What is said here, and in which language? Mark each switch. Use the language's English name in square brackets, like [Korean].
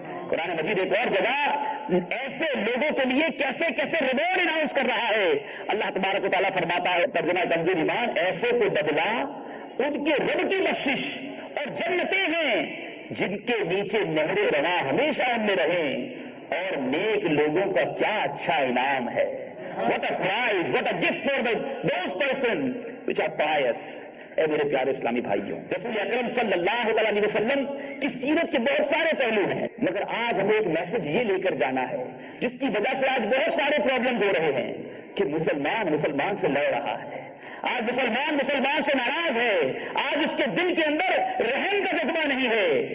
[Urdu] قرآن مجید ایک اور جگہ ایسے لوگوں کے لیے کیسے کیسے ریوارڈ اناؤنس کر رہا ہے. اللہ تبارک و تعالیٰ فرماتا ہے ترجمہ تنظیم ایمان, ایسے کو بدلا ان کے رب کی بخشش اور جنتیں ہیں جن کے نیچے نہرے رہا ہمیشہ ان میں رہیں, اور نیک لوگوں کا کیا اچھا انعام ہے. [English] What a prize, what a gift for those persons which are pious. [Urdu] اے میرے پیارے اسلامی بھائیوں, رسول اکرم صلی اللہ علیہ وسلم کی سیرت کے بہت سارے پہلو ہیں, مگر آج ہمیں ایک میسج یہ لے کر جانا ہے جس کی وجہ سے آج بہت سارے پرابلم ہو رہے ہیں کہ مسلمان مسلمان سے لڑ رہا ہے, آج مسلمان مسلمان سے ناراض ہے, آج اس کے دل کے اندر رحم کا جذبہ نہیں ہے.